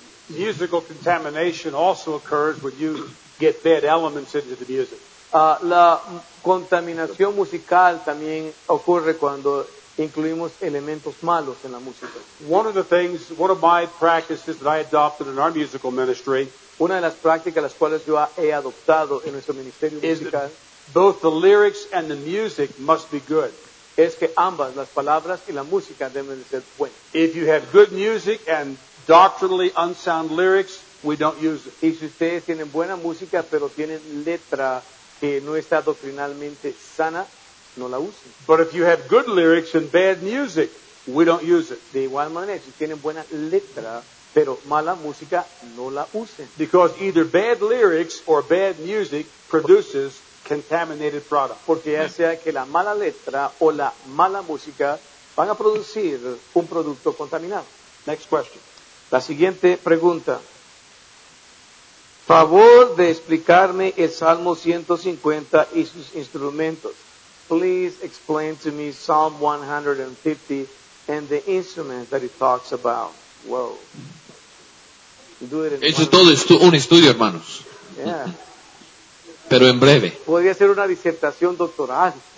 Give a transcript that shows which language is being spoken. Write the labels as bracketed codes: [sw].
[en] Musical contamination also occurs when you get bad elements into the music. [es] La contaminación musical también ocurre cuando incluimos elementos malos en la música. [en] One of my practices that I adopted in our musical ministry, [es] una de las prácticas las cuales yo he adoptado en nuestro ministerio musical, [en] both the lyrics and the music must be good. [es] Es que ambas, las palabras y la música, deben de ser buenas. [en] If you have good music and doctrinally unsound lyrics, we don't use it. [es] Y si ustedes tienen buena música pero tienen letra que no está doctrinalmente sana, no la usen. [en] But if you have good lyrics and bad music, we don't use it. [es] De igual manera, si tienen buena letra pero mala música, no la usen. [en] Because either bad lyrics or bad music produces contaminated product. [es] Porque ya sea que la mala letra o la mala música van a producir un producto contaminado. [en] Next question. [es] La siguiente pregunta. Favor de explicarme el Salmo 150 y sus instrumentos. [en] Please explain to me Psalm 150 and the instruments that it talks about. Whoa. [es] Eso es todo un estudio, hermanos. Yeah. Pero en breve. Podría ser una disertación doctoral.